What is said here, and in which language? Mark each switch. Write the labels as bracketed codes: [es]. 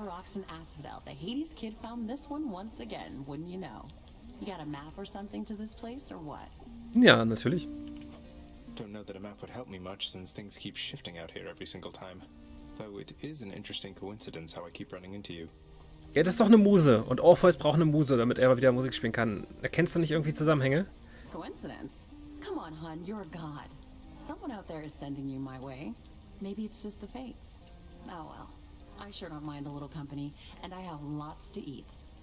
[en] Rocks in Asphodel, the Hades kid found this one once again, wouldn't you know? You got a map or something to this place or what? [de] Ja, natürlich. [en] Don't know that a map would help me much since things keep shifting out here every single time. Though it is an interesting coincidence how I keep running into you. [de] Ja, das ist doch eine Muse. Und Orpheus braucht eine Muse, damit er wieder Musik spielen kann. Erkennst du nicht irgendwie Zusammenhänge? [en] Coincidence? Come on, hon, you're a god. Someone out there is sending you my way. Maybe it's just the fates. Oh well. I sure don't mind a little company, and I have lots to eat.